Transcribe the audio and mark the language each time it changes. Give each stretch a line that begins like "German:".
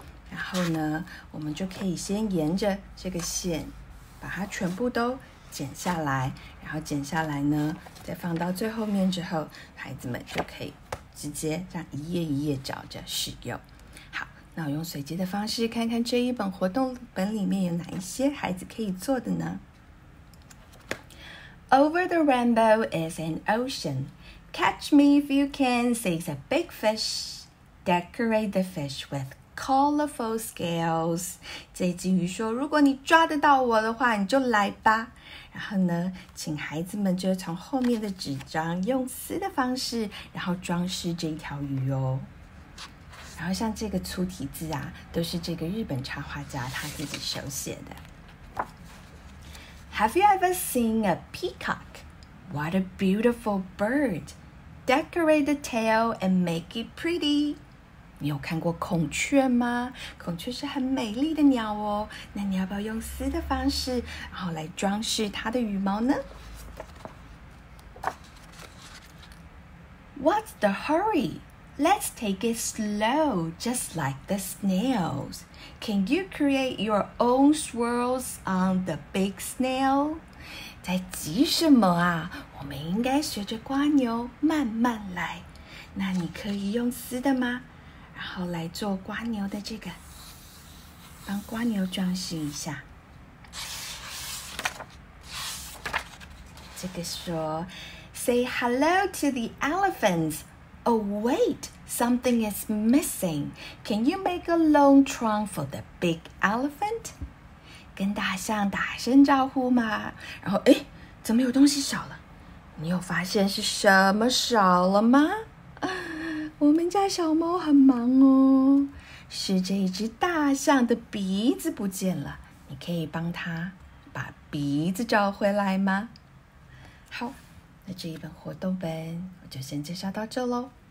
Chinese: 然后呢，我们就可以先沿着这个线把它全部都剪下来，然后剪下来呢再放到最后面之后，孩子们就可以直接这样一页一页找着使用。好，那我用随机的方式看看这一本活动本里面有哪一些孩子可以做的呢。
English: Over the rainbow is an ocean. Catch me if you can, says a big fish. Decorate the fish withColorful scales.
Chinese: 这只鱼说，如果你抓得到我的话，你就来吧。然后呢，请孩子们就从后面的纸张用丝的方式，然后装饰这条鱼哦。然后像这个粗体字啊，都是这个日本插画家他自己手写的。
English: Have you ever seen a peacock? What a beautiful bird. Decorate the tail and make it pretty.
Chinese: 你有看过孔雀吗？孔雀是很美丽的鸟哦。那你要不要用丝的方式，然后来装饰它的羽毛呢？
English: What's the hurry? Let's take it slow, just like the snails. Can you create your own swirls on the big snail?
Chinese: 在急什么啊？我们应该学着蜗牛慢慢来。那你可以用丝的吗？然后来做蜗牛的这个，帮蜗牛装饰一下。这个说
English: ，Say hello to the elephants. Oh wait, something is missing. Can you make a long trunk for the big elephant?
Chinese: 跟大象打声招呼嘛。然后哎，怎么有东西少了？你有发现是什么少了吗？我们家小猫很忙哦，是这一只大象的鼻子不见了，你可以帮它把鼻子找回来吗？好，那这一本活动本我就先介绍到这咯。